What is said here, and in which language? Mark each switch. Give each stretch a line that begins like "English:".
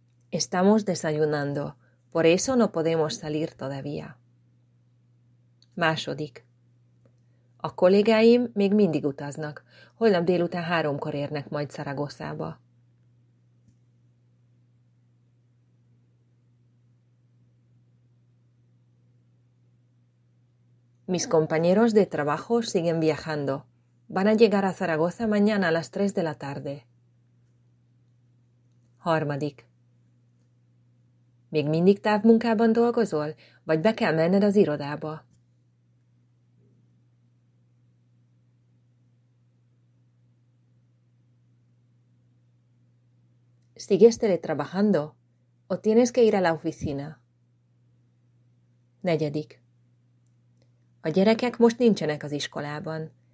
Spanish: Estamos desayunando, por eso no podemos salir todavía.
Hungarian: Második. A kollégáim még mindig utaznak. Holnap délután 3-kor érnek majd Zaragozába.
Spanish: Mis compañeros de trabajo siguen viajando. Van a llegar a Zaragoza mañana a las 3 de la tarde.
Hungarian: Harmadik. Még mindig távmunkában dolgozol? Vagy be kell menned az irodába?
Spanish: ¿Sigues teletrabajando? ¿O tienes que ir a la oficina?
Hungarian: Negyedik. A gyerekek most nincsenek az iskolában.